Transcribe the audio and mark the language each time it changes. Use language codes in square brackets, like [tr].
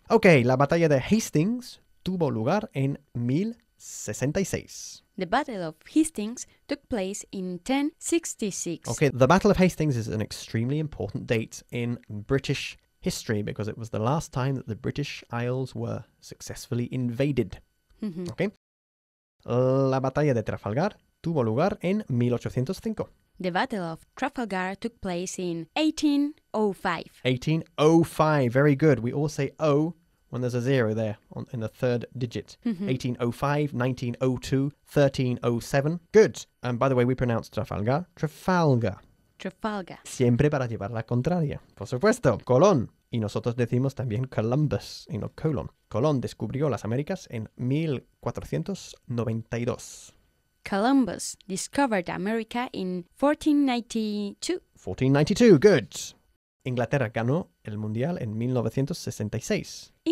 [es] Ok, la batalla de Hastings tuvo lugar en 1066. [en] The Battle of Hastings took place in 1066. Ok, the Battle of Hastings is an extremely important date in British history because it was the last time that the British Isles were successfully invaded. Mm-hmm. [es] Ok. La batalla de Trafalgar tuvo lugar en 1805. [en] The Battle of Trafalgar took place in 1805. 1805, very good. We all say O when there's a zero there on, in the third digit. Mm-hmm. 1805, 1902, 1307. Good. And by the way, we pronounce Trafalgar, Trafalgar. Trafalgar. [es] Siempre para llevar la contraria. Por supuesto, Colón. Y nosotros decimos también Columbus, y no Colón. Colón descubrió las Américas en 1492. [en] Columbus discovered America in [es] 1492. 1492, good. Inglaterra ganó el Mundial en 1966.